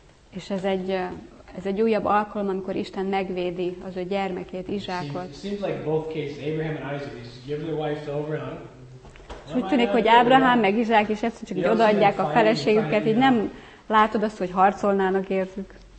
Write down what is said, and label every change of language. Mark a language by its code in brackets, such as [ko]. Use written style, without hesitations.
[hu] És ez egy újabb alkalom, amikor Isten megvédi az ő gyermekét, Izsákot. [en] It seems like both cases, Abraham and Isaac, they just give their wives over and [hu] so úgy tűnik, hogy Ábrahám meg Izsák is egyszerűen csak odaadják a feleségüket, így nem látod azt, hogy harcolnának értük.